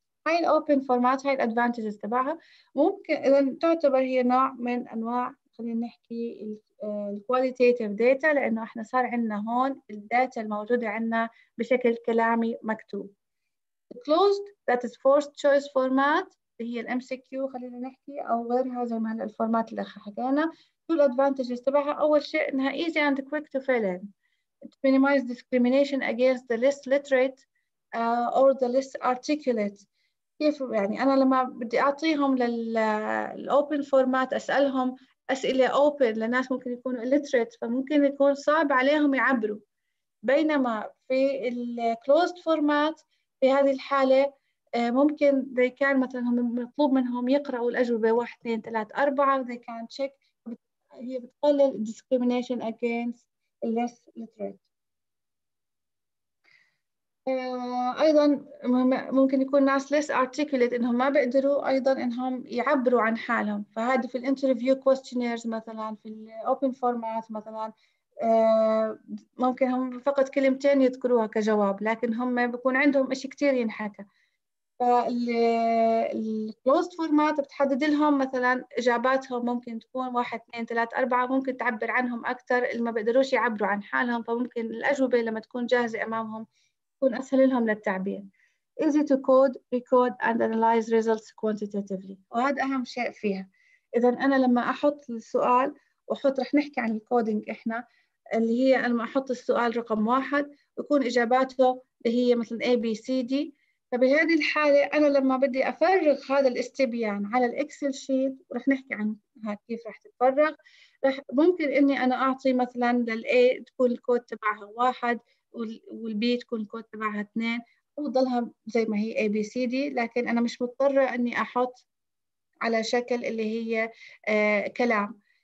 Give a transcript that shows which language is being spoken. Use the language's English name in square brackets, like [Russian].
[Arabic] هاي الأوبن فورمات هاي الأدفانتجز تبعها ممكن إذا تعتبر هي نوع من أنواع خلينا نحكي الكواليتيتيف داتا، لأنه إحنا صار عندنا هون الداتا الموجودة عندنا بشكل كلامي مكتوب. [English] Closed that is forced choice format [Arabic] هي الـ MCQ خلينا نحكي أو غيرها زي ما الفورمات اللي حكينا. شو الأدفانتجز تبعها؟ أول شيء إنها [English] easy and quick to fill in. It minimizes discrimination against the less literate or the less articulate. [Arabic] كيف يعني أنا لما بدي أعطيهم للأوبن فورمات أسألهم أسئلة أوبن لناس ممكن يكونوا إلتريت، فممكن يكون صعب عليهم يعبروا، بينما في الكلوزد فورمات في هذه الحالة ممكن [English] they can [Arabic] مثلا هم مطلوب منهم يقرأوا الأجوبة 1 2 3 4 [English] they can check. [Arabic] هي بتقلل [English] discrimination against less literate. [Arabic] أيضا ممكن يكون ناس less articulate إنهم ما بيقدروا أيضا إنهم يعبروا عن حالهم، فهذا في الانترفيو questionnaires مثلا في الopen format مثلا ممكن هم فقط كلمتين يذكروها كجواب، لكن هم بيكون عندهم إشي كتير ينحكى. فالclosed format بتحدد لهم مثلا إجاباتهم ممكن تكون 1 2 3 4 ممكن تعبر عنهم أكثر، اللي ما بيقدروش يعبروا عن حالهم فممكن الأجوبة لما تكون جاهزة أمامهم يكون أسهل لهم للتعبير. [English] Easy to code, record and analyze results quantitatively. [Arabic] وهذا أهم شيء فيها. إذا أنا لما أحط السؤال وأحط رح نحكي عن الكودينج إحنا اللي هي أنا لما أحط السؤال رقم 1 يكون إجاباته اللي هي مثلا A, B, C, D. فبهذه الحالة أنا لما بدي أفرغ هذا الاستبيان على الإكسل شيت ورح نحكي عنها كيف رح تتفرغ، رح ممكن إني أنا أعطي مثلا للA تكون الكود تبعها 1 والبي تكون الكود تبعها 2 وضلها زي ما هي A, B, C, D، لكن أنا مش مضطرة أني أحط على شكل اللي هي كلام.